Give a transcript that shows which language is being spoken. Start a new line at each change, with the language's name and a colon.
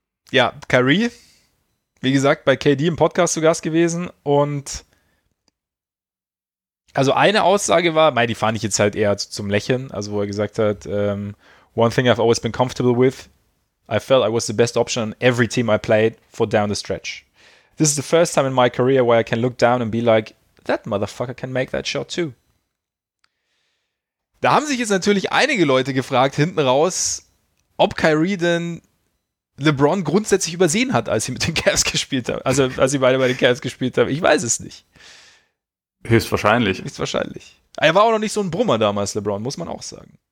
German: Ja, Kyrie, wie gesagt, bei KD im Podcast zu Gast gewesen und also eine Aussage war, die fand ich jetzt halt eher zum Lächeln, also wo er gesagt hat,
English: one thing I've always been comfortable with, I felt I was the best option on every team I played for down the stretch. This is the first time in my career where I can look down and be like, that motherfucker can make that shot too.
German: Da haben sich jetzt natürlich einige Leute gefragt, hinten raus, ob Kyrie denn LeBron grundsätzlich übersehen hat, als sie mit den Cavs gespielt haben. Also als sie beide bei den Cavs gespielt haben. Ich weiß es nicht. Höchstwahrscheinlich. Höchstwahrscheinlich. Er war auch noch nicht so ein Brummer damals, LeBron, muss man auch sagen.